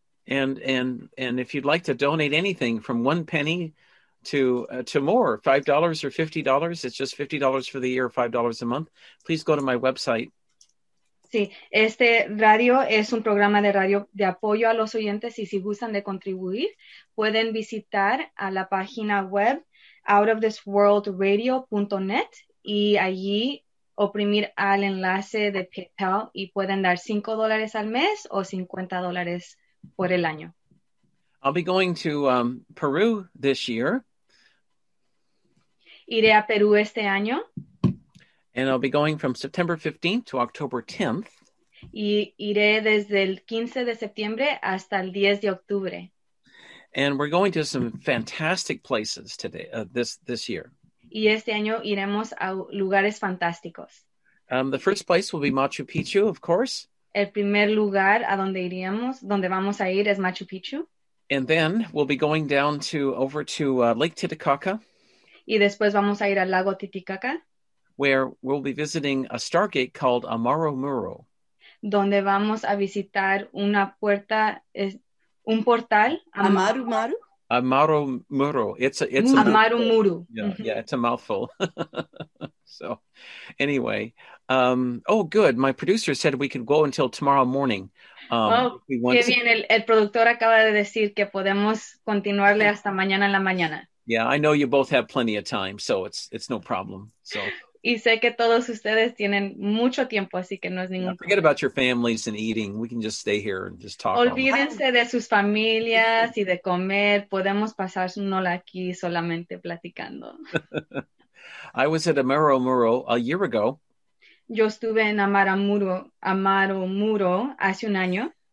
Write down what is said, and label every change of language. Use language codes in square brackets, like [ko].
[en] And if you'd like to donate anything from one penny to more, $5 or $50, it's just $50 for the year, $5 a month, please go to my website. [es] Sí, este radio es un programa de radio de apoyo a los oyentes y si gustan de contribuir, pueden visitar a la página web outofthisworldradio.net y allí oprimir al enlace de PayPal y pueden dar $5 al mes o $50 por el año. [en] I'll be going to Peru this year. [es] Iré a Perú este año. [en] And I'll be going from September 15th to October 10th. [es] Y iré desde el 15 de septiembre hasta el 10 de octubre. [en] And we're going to some fantastic places today, this year. [es] Y este año iremos a lugares fantásticos. [en] The first place will be Machu Picchu, of course. [es] El primer lugar a donde iríamos, donde vamos a ir, es Machu Picchu. [en] And then we'll be going down to, over to Lake Titicaca. [es] Y después vamos a ir al lago Titicaca. [en] Where we'll be visiting a stargate called Amaro Muro. [es] Donde vamos a visitar una puerta, un portal. [en] Amaro Muro? Amaro Muro. It's Amaro Muro. Yeah, it's a mouthful. So, anyway. Good. My producer said we could go until tomorrow morning. [es] El productor acaba de decir que podemos continuarle hasta mañana en la mañana. [en] Yeah, I know you both have plenty of time, so it's no problem. So. [es] Y sé que todos ustedes tienen mucho tiempo, así que no es ningún problema. [en] Forget about your families and eating. We can just stay here and just talk. [es] Olvídense de sus familias y de comer. Podemos pasárnosla aquí solamente platicando. [en] I was at Amaro Muro a year ago. [es] Yo estuve en Amaro Muro hace un año.